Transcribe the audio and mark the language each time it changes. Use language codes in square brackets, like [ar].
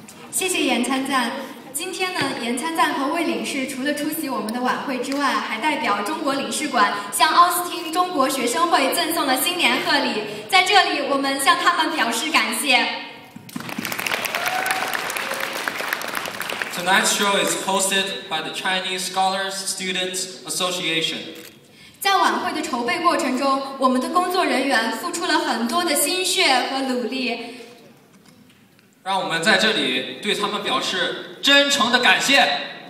[zh] 谢谢严参赞。今天呢，严参赞和魏领事除了出席我们的晚会之外，还代表中国领事馆向奥斯汀中国学生会赠送了新年贺礼，在这里我们向他们表示感谢。 [en] Tonight's show is hosted by the Chinese Scholars Students Association. [zh] 在晚会的筹备过程中，我们的工作人员付出了很多的心血和努力，让我们在这里对他们表示真诚的感谢。